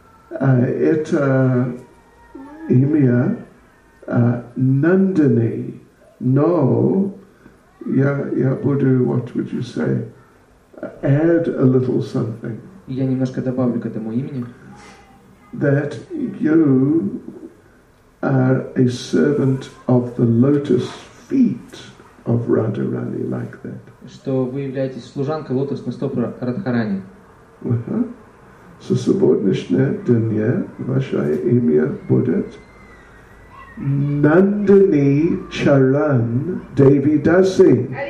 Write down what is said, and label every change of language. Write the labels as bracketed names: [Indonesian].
[Russian] Это имя Нандини, но я буду, [English] what would you say, add a little something. [Russian] Я немножко добавлю к этому имени. [English] That you are a servant of the lotus feet of Radharani, like that. [Russian] Что вы являетесь служанкой лотосных стоп Радхарани. So субботнишнее дня ваше имя будет Нандини Чаран Деви Даси.